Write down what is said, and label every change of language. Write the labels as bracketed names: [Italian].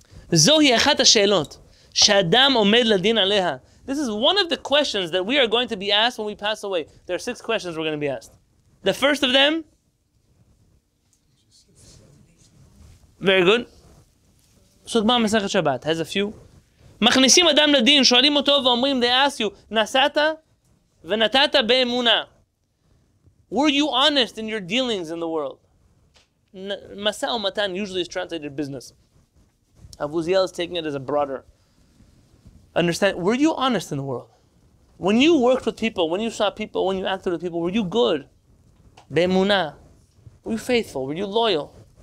[Hebrew] Zohi echat ha-shelot, she'adam omed ladin aleha. [English] This is one of the questions that we are going to be asked when we pass away. There are six questions we're going to be asked. The first of them? Very good. Sugma Masechet Shabbat has a few. [Hebrew] מכניסים אדם לדין, שואלים אותו ואומרים, [English] they ask you, [Hebrew] נסעת ונתת באמונה. [English] Were you honest in your dealings in the world? משא ומתן usually is translated business. Rav Uziel is taking it as a broader. Understand, were you honest in the world? When you worked with people, when you saw people, when you acted with people, were you good? באמונה. Were you faithful? Were you loyal?